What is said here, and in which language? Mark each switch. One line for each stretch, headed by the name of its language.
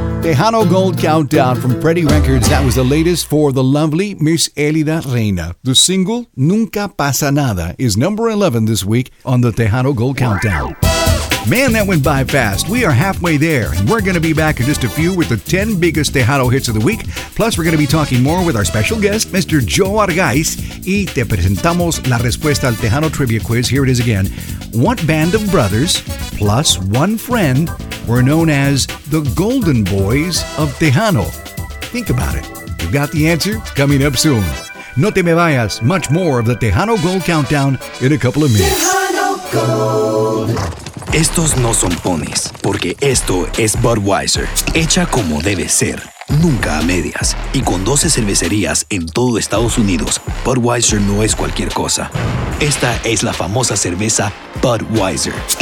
English: Tejano Gold Countdown from Freddie Records. That was the latest for the lovely Miss Elida Reina. The single, Nunca Pasa Nada, is number 11 this week on the Tejano Gold Countdown. Man, that went by fast. We are halfway there, and we're going to be back in just a few with the 10 biggest Tejano hits of the week. Plus, we're going to be talking more with our special guest, Mr. Joe Argaiz.
Spanish: Y te presentamos la respuesta al Tejano Trivia Quiz.
English: Here it is again. What band of brothers, plus one friend, were known as the Golden Boys of Tejano? Think about it. You've got the answer coming up soon.
Spanish: No te me vayas.
English: Much more of the Tejano Gold Countdown in a couple of minutes. Tejano Gold.
Spanish: Estos no son ponis, porque esto es Budweiser, hecha como debe ser, nunca a medias. Y con 12 cervecerías en todo Estados Unidos, Budweiser no es cualquier cosa. Esta es la famosa cerveza Budweiser.